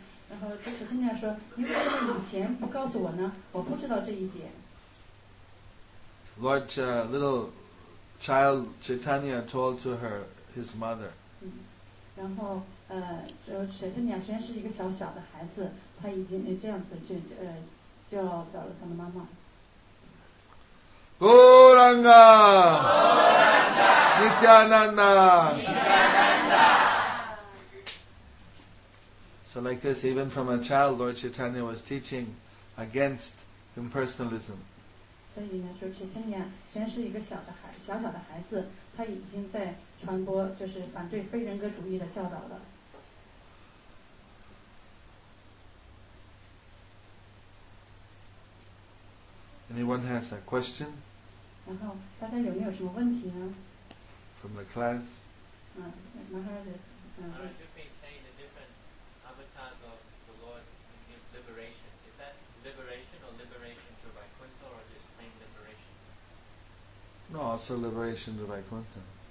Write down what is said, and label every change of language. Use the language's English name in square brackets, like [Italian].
[Chinese] 然后就是跟人家说，你为什么以前不告诉我呢？我不知道这一点。 [English] What a little child Chaitanya told to her, his mother. [Chinese] 然后，就Chaitanya虽然是一个小小的孩子，他已经这样子就叫到了他的妈妈。Goranga! Goranga! Nityananda! Nityananda! [English] So like this, even from a child, Lord Chaitanya was teaching against impersonalism. [Chinese] 所以呢，就是 Chaitanya 虽然是一个小小的孩子，他已经在传播就是反对非人格主义的教导了。 [English] Anyone has a question? [Chinese] 然后大家有没有什么问题呢 [English] ？From the class. [Chinese] 麻烦是。 [English] You can say the different avatars of the Lord in his liberation. Is that liberation or liberation to Vaikuntha or just plain liberation? No, also liberation to Vaikuntha.